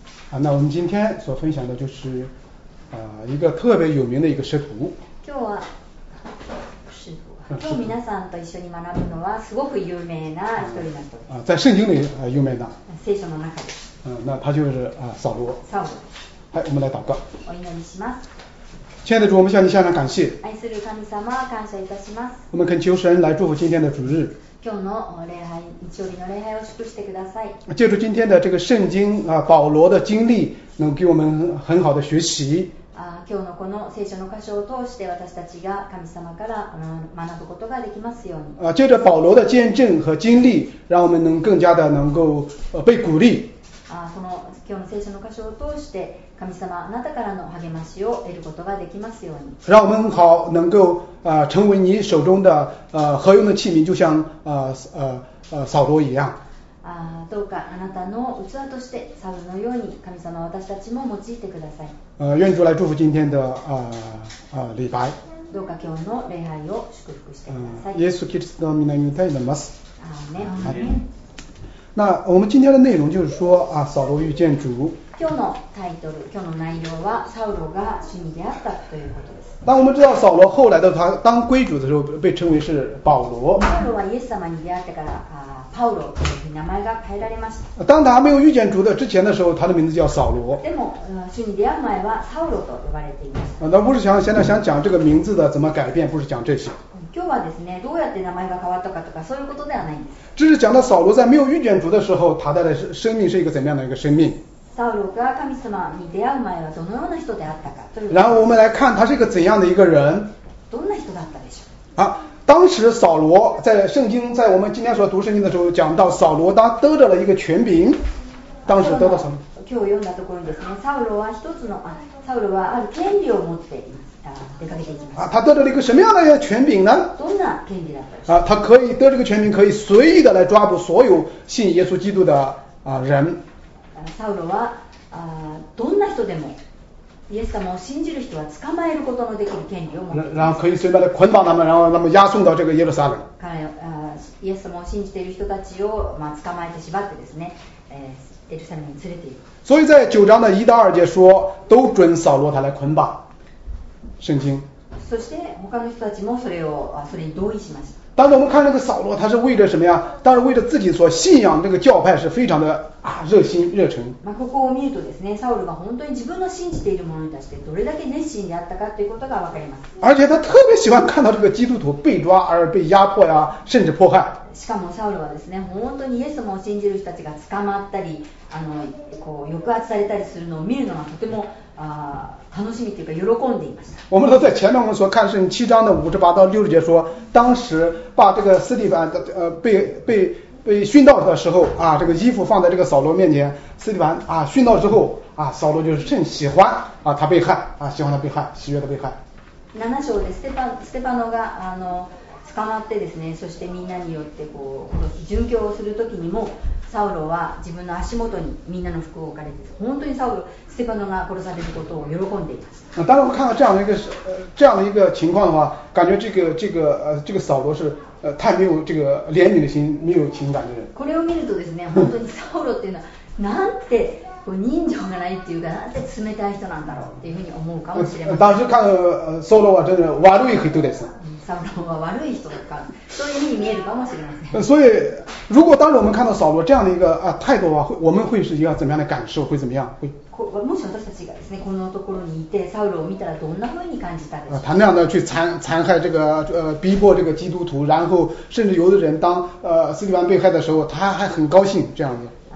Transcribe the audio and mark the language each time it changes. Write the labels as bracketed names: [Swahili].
[Chinese] 那我们今天所分享的就是一个特别有名的一个师徒。 [Japanese] 今日は师徒。今日皆さんと一緒に学ぶのはすごく有名な一人だと。 [Chinese] 在圣经里有名的。 [Japanese] 聖書の中で。 [Chinese] 那他就是扫罗。扫罗。哎，我们来祷告。 [Japanese] お祈りします。 [Chinese] 亲爱的主，我们向你献上感谢。 [Japanese] 愛する神様、感謝いたします。 [Chinese] 我们恳求神来祝福今天的主日。 [Japanese] 今日の礼拝、日曜日の礼拝を祝してください。 [Chinese] 借助今天的这个圣经啊，保罗的经历，能给我们很好的学习。 [Japanese] 今日のこの聖書の箇所を通して私たちが神様から学ぶことができますように。 [Chinese] 借着保罗的见证和经历，让我们能更加的能够被鼓励。 [Japanese] この今日の聖書の箇所を通して神様あなたからの励ましを得ることができますように。 [Chinese] 让我们好能够成为你手中的合用的器皿，就像扫罗一样。 [Japanese] どうかあなたの器としてサウルのように神様私たちも用いてください。 [Chinese] 愿主来祝福今天的礼拜。 [Japanese] どうか今日の礼拝を祝福してください。イエスキリストの名によって祈ります。アーメン。 [Chinese] 那我们今天的内容就是说啊，扫罗遇见主。 [Japanese] 今日のタイトル、今日の内容はサウロが主に出会ったということです。 [Chinese] 当我们知道扫罗后来的他当归主的时候，被称为是保罗。 [Japanese] サウロはイエス様に出会ってからパウロという名前が変えられました。 [Chinese] 当他没有遇见主的之前的时候，他的名字叫扫罗。 [Japanese] でも主に出会う前はサウロと呼ばれていました [Chinese] 。那不是想现在想讲这个名字的怎么改变，不是讲这些。 [Japanese] 今日はですね、どうやって名前が変わったかとかそういうことではないんです。 [Chinese] 只是讲到扫罗在没有遇见主的时候，他的生命是一个怎么样的一个生命。 [Japanese] サウロが神様に出会う前はどのような人であったかという。 [Chinese] 然后我们来看他是一个怎样的一个人。 [Japanese] どんな人だったでしょう。 [Chinese] 啊，当时扫罗在圣经，在我们今天所读圣经的时候，讲到扫罗当得着了一个权柄，当时得到什么？ [Japanese] 今日読んだところにですね、サウロは一つのサウロはある権利を持って。 [Chinese] 他得到了一个什么样的权柄呢？ [Japanese] どんな権利だったでしょう？ [Chinese] 他可以得这个权柄，可以随意的来抓捕所有信耶稣基督的人。 [Japanese] サウロはどんな人でもイエス様を信じる人は捕まえることのできる権利を持っています。 [Chinese] 然后可以随便的捆绑他们，然后他们押送到这个耶路撒冷。 [Japanese] イエス様を信じている人たちを捕まえて縛ってですね。エルサレムに連れて行く。 [Chinese] 所以在九章的一到二节说，都准扫罗他来捆绑。圣经。 [Japanese] そして他の人たちもそれに同意しました。 [Chinese] 当我们看那个扫罗，他是为了什么呀？当然为了自己所信仰这个教派是非常的热心热诚。 [Japanese] ここを見るとですね、サウロが本当に自分の信じているものに対してどれだけ熱心であったかということがわかります。 [Chinese] 而且他特别喜欢看到这个基督徒被抓而被压迫呀，甚至迫害。 [Japanese] しかもサウロはですね、本当にイエス様を信じる人たちが捕まったり、こう抑圧されたりするのを見るのがとても。楽しみというか喜んでいました。 [Chinese] 我们都在前面我们所看圣七章的五十八到六十节说，当时把这个斯蒂凡被殉道的时候啊，这个衣服放在这个扫罗面前，斯蒂凡啊殉道之后啊，扫罗就是正喜欢啊他被害啊，喜欢他被害，喜悦他被害。 [Japanese] 七章でステパノが捕まってですね、そしてみんなによってこう殉教をするときにも。サウロは自分の足元にみんなの服を置かれて、本当にサウロ、ステパノが殺されることを喜んでいます。 [Chinese] 当然我看到这样的一个情况的话，感觉这个扫罗是太没有这个怜悯的心，没有情感的人。 [Japanese] これを見るとですね、本当にサウロっていうのはなんて人情がないっていうか、なんて冷たい人なんだろうっていうふうに思うかもしれません。 [Chinese] 当时看扫罗は真的 [Japanese] 悪い人です。扫罗は悪い人とか、そういう風に見えるかもしれません。 [Chinese] 所以，如果当时我们看到扫罗这样的一个态度的话，我们会是一个怎么样的感受？会怎么样？会。 [Japanese] もし私たちがですね、このところにいてサウロを見たらどんな風に感じたでしょう？ [Chinese] 他那样的去残害这个逼迫这个基督徒，然后甚至有的人当斯蒂凡被害的时候，他还很高兴这样子。